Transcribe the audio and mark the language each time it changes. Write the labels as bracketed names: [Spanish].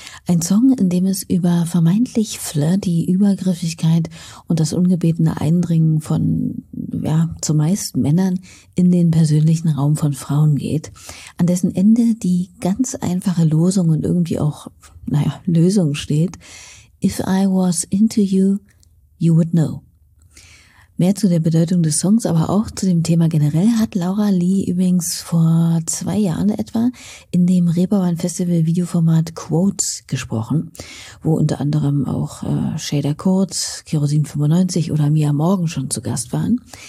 [German] Ein Song, in dem es über vermeintlich flirty Übergriffigkeit und das ungebetene Eindringen von, ja, zumeist Männern in den persönlichen Raum von Frauen geht, an dessen Ende die ganz einfache Losung und irgendwie auch, naja, Lösung steht. [English] If I was into you, you would know. [German] Mehr zu der Bedeutung des Songs, aber auch zu dem Thema generell, hat Laura Lee übrigens vor 2 Jahren etwa in dem Reeperbahn-Festival-Videoformat Quotes gesprochen, wo unter anderem auch Shader Kurz, Kerosin 95 oder Mia Morgan schon zu Gast waren.